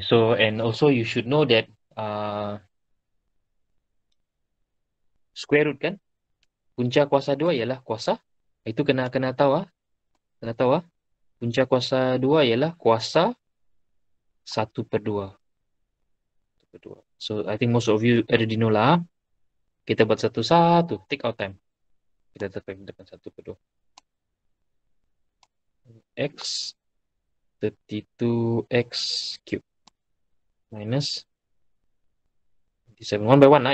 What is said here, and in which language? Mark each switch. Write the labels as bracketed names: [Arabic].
[English] So and also you should know that square root kan. [Malay] Punca kuasa 2 ialah kuasa. Itu kena tahu lah. Kena tahu lah. Punca kuasa 2 ialah kuasa 1 per 2. 1 per 2. [English] So, I think most of you already know lah. [Malay] Kita buat satu-satu. [English] Take out time. [Malay] Kita tetap dengan 1 per 2. [English] X 32x cube minus 27. One by one lah.